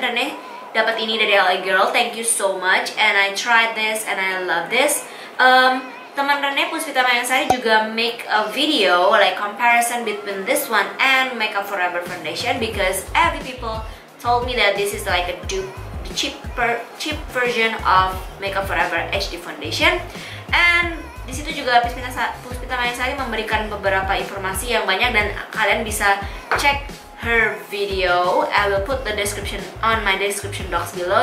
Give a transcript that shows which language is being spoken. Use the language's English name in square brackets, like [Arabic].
[English] Rene [Indonesian] dapat ini dari [English] LA Girl, thank you so much, and I tried this and I love this. Teman Rene Puspita Mayasari juga make a video like comparison between this one and Makeup Forever foundation because every people told me that this is like a cheap version of Makeup Forever HD foundation. [Indonesian] And di situ juga Puspita Mayasari memberikan beberapa informasi yang banyak dan kalian bisa cek [English] her video. I will put the description on my description box below.